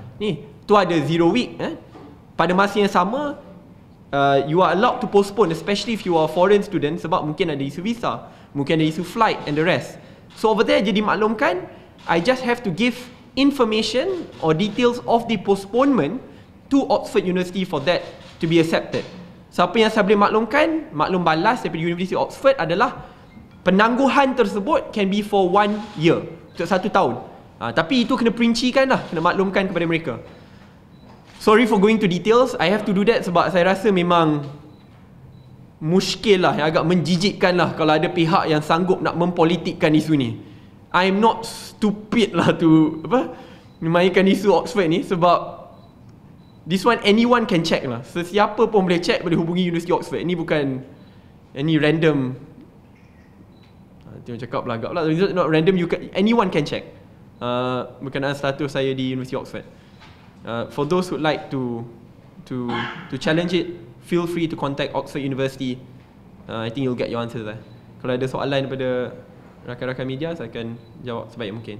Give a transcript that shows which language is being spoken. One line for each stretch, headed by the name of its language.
Malay: Ni, tu ada 0 week. Pada masa yang sama,
English: you are allowed to postpone, especially if you are foreign student,
Malay: sebab mungkin ada isu visa, mungkin ada isu flight and the rest.
English: So over there,
Malay: jadi maklumkan,
English: I just have to give information or details of the postponement to Oxford University for that to be accepted.
Malay: So apa yang saya boleh maklumkan, maklum balas daripada University of Oxford adalah penangguhan tersebut
English: can be for 1 year,
Malay: untuk 1 tahun. Tapi itu kena perincikan lah, kena maklumkan kepada mereka.
English: sorry for going to details. I have to do that
Malay: sebab saya rasa memang muskil lah, yang agak menjijikkan lah kalau ada pihak yang sanggup nak mempolitikkan isu ni.
English: I'm not stupid lah to
Malay: apa, memainkan isu Oxford ni, sebab
English: this one anyone can check lah.
Malay: Sesiapa pun boleh check, boleh hubungi Universiti Oxford. Ini bukan any random, nanti orang cakap lah agak lah,
English: it's not random, you can, anyone can check
Malay: berkenaan status saya di Universiti Oxford.
English: For those who'd like to challenge it, feel free to contact Oxford University. I think you'll get your answer there.
Malay: Kalau ada soalan daripada rakan-rakan media, saya akan jawab sebaik mungkin.